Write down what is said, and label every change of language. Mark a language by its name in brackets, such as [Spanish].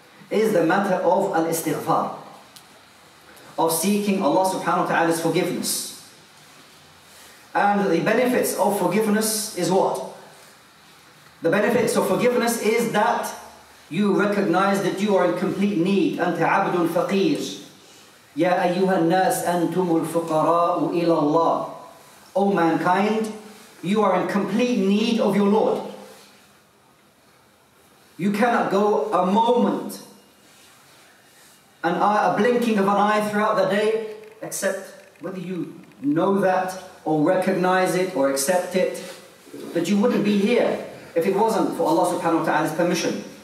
[English] It is the matter of al-istighfar, of seeking Allah subhanahu wa ta'ala's forgiveness. And the benefits of forgiveness is what? The benefits of forgiveness is that you recognize that you are in complete need. [Arabic] أنت عبد فقير. يا أيها الناس أنتم الفقراء إلى الله. [English] O mankind, you are in complete need of your Lord. You cannot go a moment, a blinking of an eye throughout the day, except whether you know that or recognize it or accept it, that you wouldn't be here if it wasn't for Allah subhanahu wa ta'ala's permission.